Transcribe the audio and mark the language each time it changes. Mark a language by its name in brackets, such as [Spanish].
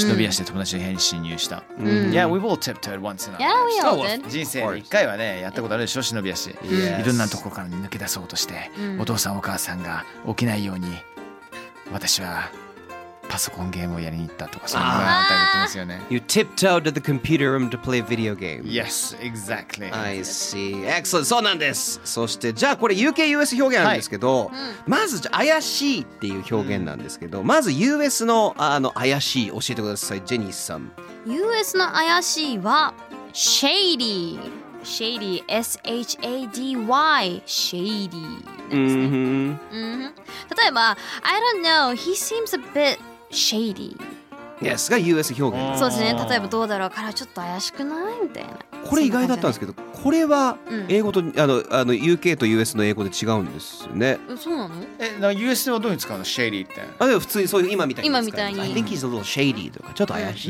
[Japanese] 忍び足で友達の部屋に侵入した、うん、 [English] Yeah, we've all tiptoed once in our lives. Yeah, we all did. [Japanese] 人生一回はね、やったことあるでしょ、忍び足、 [English] yes. [Japanese] いろんなところから抜け出そうとして、うん、お父さんお母さんが起きないように、私はパソコンゲームをやりに行ったとかそういうのがあったりですよね。 [English] You tiptoed to the computer room to play video game. Yes, exactly. I see. Excellent. [Japanese] そうなんです。そしてじゃあこれ UK US 表現なんですけど、はい、まず怪しいっていう表現なんですけど、うん、まず US の怪しい教えてください、ジェニーさん。 US の怪しいは shady。 [English] Shady, S-H-A-D-Y, shady. Mm-hmm. Mm-hmm. [Japanese] 例えば、 [English] I don't know, he seems a bit shady. [Japanese] Yes, が US 表現。そうですね。例えば、どうだろうからちょっと怪しくないみたいな。これ意外だったんですけど、これは英語と、うん、UK と US の英語で違うんですよね。そうなの？なんか US ではどういう使うの？ shady って。あ、でも普通にそういう今みたいに使う。今みたいに。 [English] I think he's a little shady [Japanese] とか、ちょっと怪しい。